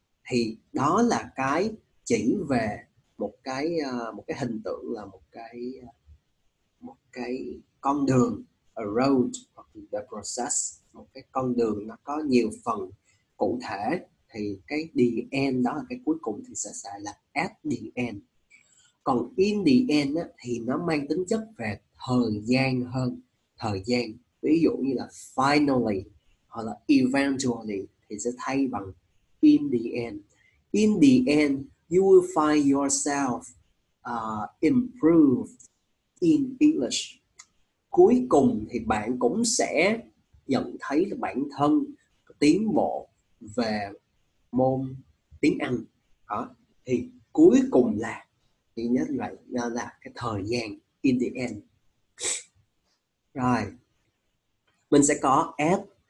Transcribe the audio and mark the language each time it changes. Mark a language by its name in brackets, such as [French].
[Vietnamese] Thì đó là cái chỉ về một cái hình tượng, là một cái con đường, a road, hoặc the process, một cái con đường nó có nhiều phần cụ thể, thì cái the end đó là cái cuối cùng, thì sẽ xài là at the end. Còn in the end á, thì nó mang tính chất về thời gian hơn, thời gian, ví dụ như là finally hoặc là eventually, thì sẽ thay bằng in the end. [English] In the end, you will find yourself improved in English. [Vietnamese] Cuối cùng thì bạn cũng sẽ nhận thấy là bản thân tiến bộ về môn tiếng Anh. Đó. Thì cuối cùng là, thì nhất là cái thời gian, in the end. Rồi. Mình sẽ có at.